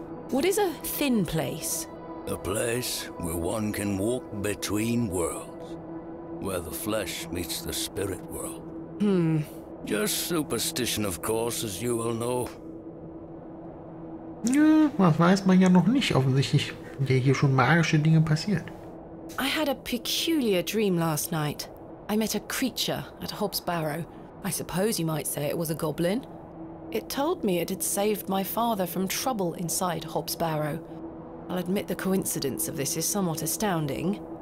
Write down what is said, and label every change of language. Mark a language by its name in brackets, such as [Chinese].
[English] What is a thin place? A place where one can walk between worlds. Where the flesh meets the spirit world. Just superstition, of course, as you will know. [German] Ja, das weiß man ja noch nicht. Offensichtlich sind hier schon magische Dinge passiert. [English] I had a peculiar dream last night. I met a creature at Hobbs Barrow. I suppose you might say it was a goblin. It told me it had saved my father from trouble inside Hobbs Barrow. I'll admit the coincidence of this is somewhat astounding.